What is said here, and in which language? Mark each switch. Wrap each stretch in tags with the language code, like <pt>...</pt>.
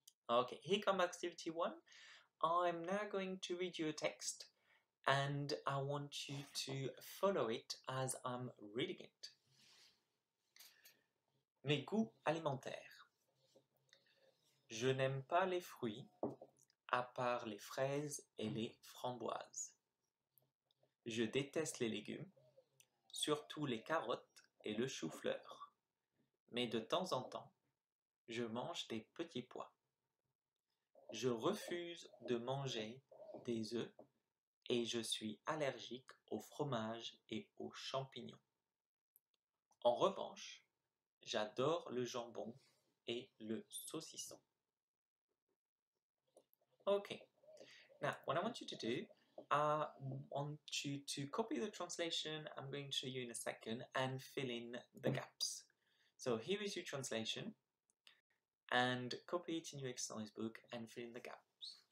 <en>Okay, here comes activity one. I'm now going to read you a text. And I want you to follow it as I'm reading it.</en> <fr>Mes goûts alimentaires. Je n'aime pas les fruits, à part les fraises et les framboises. Je déteste les légumes, surtout les carottes et le chou-fleur. Mais de temps en temps, je mange des petits pois. Je refuse de manger des œufs. Et je suis allergique au fromage et aux champignons. En revanche, j'adore le jambon et le saucisson.</fr> <en>Okay. Now, what I want you to do, I want you to copy the translation I'm going to show you in a second and fill in the gaps. So here is your translation. And copy it in your exercise book and fill in the gaps.</en>